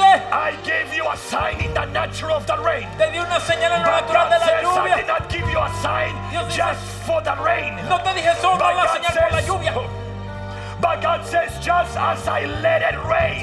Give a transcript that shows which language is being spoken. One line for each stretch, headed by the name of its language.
English: I gave you a sign in the natural of the rain.
Spanish: Te di una señal en lo natural de la lluvia.
English: But God says, I did not give you a sign dice, just for the rain.
Spanish: No te dije solo la señal por la lluvia.
English: But God says, just as I let it rain.